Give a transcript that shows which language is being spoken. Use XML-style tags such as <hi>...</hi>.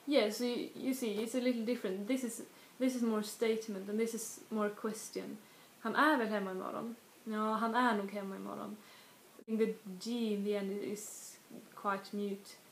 <en>so you see, it's a little different. This is more a statement and this is more a question.</en> <sv>Han är väl hemma imorgon? Ja, han är nog hemma imorgon.</sv> <en>I think the G in the end is quite mute.</en>